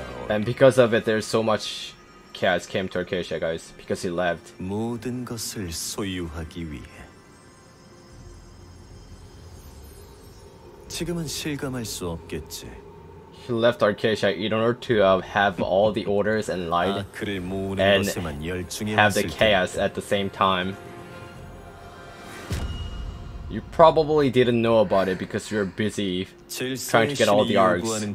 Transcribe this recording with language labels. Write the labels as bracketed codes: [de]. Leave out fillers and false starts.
[en] And because of it, there's so much Chaos came to Arcacia, guys, because he left. [ko] 모든 것을 소유하기 위해. 지금은 실감할 수 없겠지. [en] He left Arcacia in order to have all the orders and light and have the chaos at the same time. You probably didn't know about it because you're busy trying to get all the arcs.